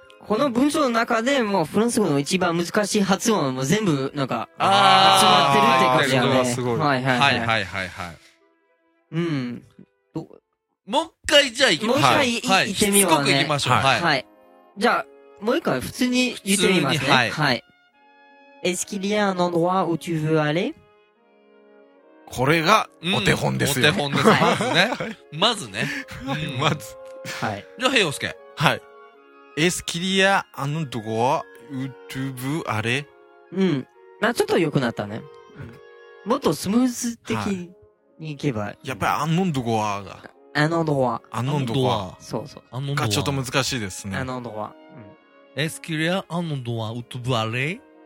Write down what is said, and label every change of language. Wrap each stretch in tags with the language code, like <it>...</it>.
<ja>この文章の中でもう、フランス語の一番難しい発音も全部、なんか、集まってるって感じだね。あ、すごい。はいはいはい。はいはいはい。うん。もう一回、じゃあ行きましょう。もう一回、行ってみようね。すごく行きましょう。はい。はい、じゃあ、もう一回普通に言ってみますね。はい、はい。</ja> <fr>Est-ce qu'il y a un endroit où tu veux aller？</fr> <ja>これがお手本ですよ。お手本です。まずね。まずね。うん、まず。はい。じゃあ、平洋介。はい。</ja> <fr>Est-ce qu'il y a un endroit où tu veux aller？</fr> <ja>うん。まあ、ちょっと良くなったね。もっとスムーズ的に行けば、はい。やっぱり、</ja> <fr>un endroit</fr> <ja>が。</ja> <fr>un endroit。 un endroit。</fr> <ja>そうそう。</ja> <fr>un endroit。</fr> <ja>がちょっと難しいですね。</ja> <fr>un endroit。エスキリア、アンノンドア、ウトブアレ？</fr>